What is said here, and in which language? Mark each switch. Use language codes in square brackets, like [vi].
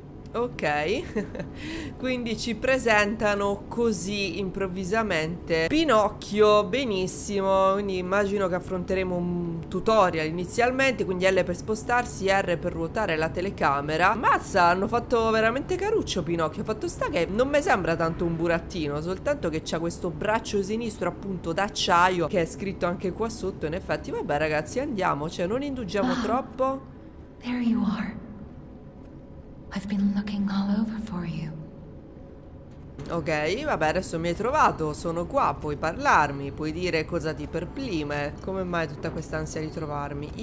[it] Ok, quindi ci presentano così improvvisamente Pinocchio, benissimo, quindi immagino che affronteremo un tutorial inizialmente, quindi L per spostarsi, R per ruotare la telecamera. Mazza, hanno fatto veramente caruccio Pinocchio, fatto sta che non mi sembra tanto un burattino, soltanto che c'ha questo braccio sinistro appunto d'acciaio che è scritto anche qua sotto. In effetti, vabbè ragazzi, andiamo, cioè non indugiamo troppo. [en] There you are. I've been looking all over for you. [it] Ok, vabbè, adesso mi hai trovato, sono qua, puoi parlarmi, puoi dire cosa ti perplime, come mai tutta questa ansia di trovarmi?